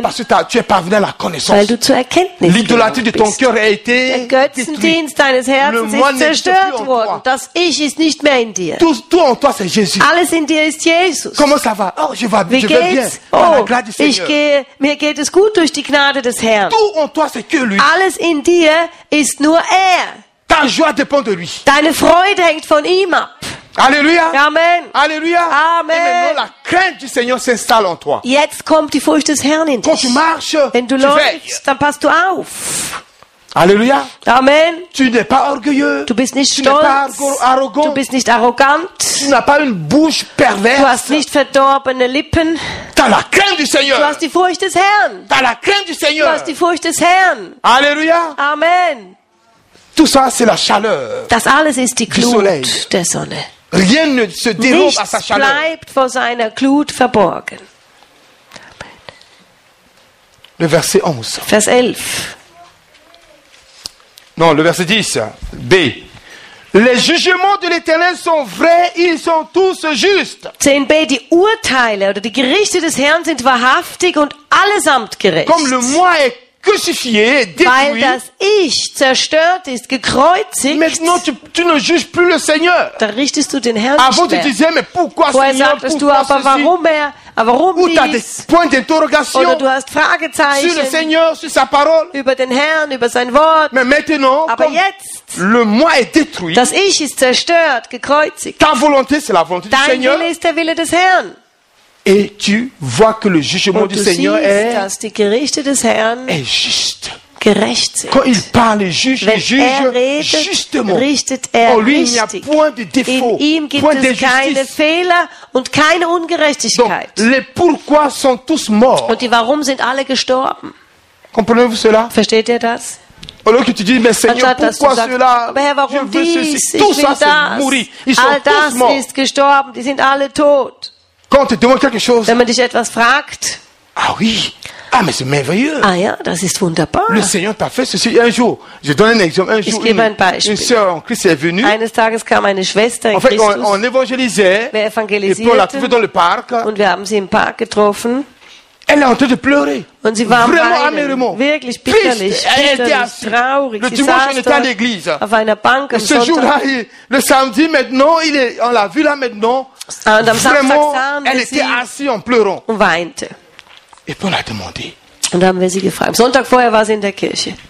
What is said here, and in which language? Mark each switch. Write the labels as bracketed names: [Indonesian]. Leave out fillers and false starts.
[French] Parce que tu es parvenu à la connaissance. [German] Weil du zur Erkenntnis [French] L'idolâtrie de ton cœur a été [German] Der Götzendienst deines Herzens ist zerstört worden. Das Ich ist nicht mehr in dir. [French] Tout en toi, c'est Jésus. [German] Alles in dir ist Jesus. [French] Comment ça va? Oh, je vais bien. [German] Mir geht es gut durch die Gnade des Herrn. [French] Tout en toi, c'est que lui. [German] Alles in dir ist nur er. [French] Ta joie dépend de lui. [German] Deine Freude hängt von ihm ab. [French] Alléluia. [German] Amen. [French] Alléluia. [German] Amen. [French] Et maintenant la crainte du Seigneur s'installe en toi. [German] Jetzt kommt die Furcht des Herrn in dich. [French] Quand tu marches, [German] wenn du läufst, dann passt du auf. [French] Alléluia. [German] Amen. [French] Tu n'es pas orgueilleux. [German] Du bist nicht [French] tu [German] stolz. [French] N'es pas arrogant. [German] Du bist nicht arrogant. [French] Tu n'as pas une bouche perverse. [German] Du hast nicht verdorbene Lippen. [French] T'as la crainte du Seigneur. [German] Du hast die Furcht des Herrn. [French] T'as la crainte du Seigneur. [German] Du hast die Furcht des Herrn. [French] Alléluia. [German] Amen. [French] Tout ça, c'est la chaleur. [German] Das alles ist die Glut der Sonne. [French] Rien ne se dérobe [German] Nichts [French] à sa chaleur. [German] Bleibt vor seiner Glut verborgen. [French] Le verset 11. [German] Vers 11. [French] Non, le verset 10. B. Les jugements de l'Éternel sont vrais, ils sont tous justes. [German] 10b, die Urteile oder die Gerichte des Herrn sind wahrhaftig und allesamt gerecht. [French] Comme le moi est crucifié, détruit. [German] Weil das Ich zerstört ist, gekreuzigt. [French] Maintenant, tu ne juges plus le Seigneur. [German] Da richtest du den Herrn [French] Avant, tu disais, mais pourquoi, [German] Vorher [French] Seigneur, [German] sagtest [French] pourquoi [German] du, aber warum er, warum [French] Où t'as des points d'interrogation [German] oder du hast Fragezeichen [French] sur le Seigneur, sur sa parole. [German] Über den Herrn, über sein Wort. [French] Mais maintenant, [German] aber jetzt, [French] le moi est détruit, [German] das Ich ist zerstört, gekreuzigt. [French] Ta volonté, c'est la volonté [German] Dein [French] du Seigneur. [German] Wille ist der Wille des Herrn. [French] Et tu vois que le jugement [German] Und [French] du Seigneur [German] siehst, [French] est, [German] dass die Gerichte des Herrn [French] est juste. [German] Gerecht sind. [French] Quand il parle, juge, [German] Wenn [French] juge [German] er redet, [French] justement. [German] Richtet er [French] en lui, [German] richtig. [French] Il n'y a point de défaut, [German] In ihm gibt [French] point [German] es keine Fehler und keine Ungerechtigkeit. [French] Donc, les pourquoi sont tous morts. [German] Und die Warum sind alle gestorben. [French] Comprenez-vous cela? [German] Versteht ihr das? [French] Au lieu que tu dis, mais Seigneur, [German] Anstatt, [French] pourquoi [German] sagst, [French] cela? [German] Herr, warum [French] Je veux [German] dies, [French] ceci. Tout ça, [German] das. [French] C'est mouru. Ils [German] All [French] sont tous morts. [German] Ist gestorben. Die sind alle tot. [French] Quand tu demandes quelque chose, [German] Wenn man dich etwas fragt, [French] ah oui, ah mais c'est merveilleux. [German] Ah ja, das ist wunderbar. [French] Le Seigneur t'a fait ceci un jour. Je donne un exemple. Un [German] ich [French] jour, [German] gebe ein Beispiel. [French] Une sœur en Christ est venue. [German] Eines Tages kam eine Schwester in [French] en fait, [German] Christus. [French] On évangélisait. [German] Wir evangelisierten. [French] Et puis on l'a trouvée dans le parc. [German] Und wir haben sie im Park getroffen. [French] Elle est en train de pleurer. [German] Und sie war [French] vraiment amèrement. [German] Wirklich bitterlich. [French] Triste. Elle était [German] assise. Traurig. [French] Le dimanche, on était à l'église. [German] Auf einer Bank am [French] Et ce jour-là, le samedi maintenant, il est, on l'a vu là maintenant. [German] Und am [French] vraiment, [German] Samstag [French] elle était assise en pleurant. [German] Und weinte. [French] Et puis on l'a demandé. [German] Und haben wir sie gefragt. Am Sonntag vorher war sie in der Kirche.